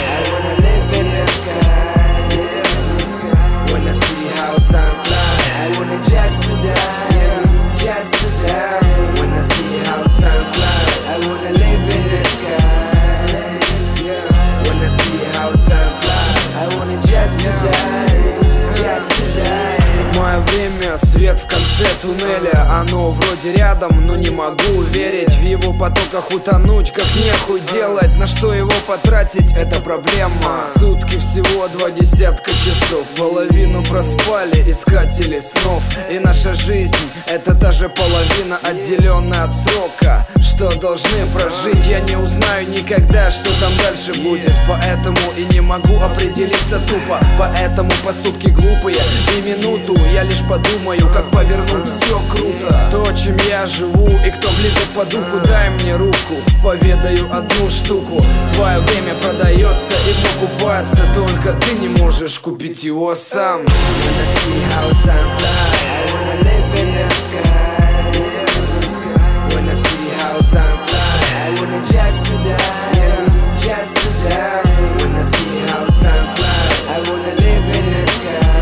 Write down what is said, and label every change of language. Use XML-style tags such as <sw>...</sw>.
<en>I wanna live in the sky. Wanna see how time flies. I wanna just to die. Just to die. Wanna see how time flies. I wanna live in the sky. Wanna see how time flies. I wanna just to die. Just to die.</en> <ru>Мое время, свет в конце туннеля. Оно вроде рядом, но не могу верить. В его потоках утонуть, как нехуй делать. На что его потратить, это проблема. Сутки всего два десятка часов. Половину проспали искатели снов. И наша жизнь, это та же половина, отделенная от срока, что должны прожить. Я не узнаю никогда, что там дальше будет. Поэтому и не могу определиться тупо. Поэтому поступки глупые и минуту. Я лишь подумаю, как повернуть все круто. То, чем я живу, и кто близок по духу, дай мне руку. Поведаю одну штуку. Твое время продается и покупается. Только ты не можешь купить его сам.</ru> <en>Wanna see how time fly. I wanna live in the sky. Wanna see how time fly. I wanna just to die. Just to die. Wanna see how time fly. I wanna live in the sky.</en>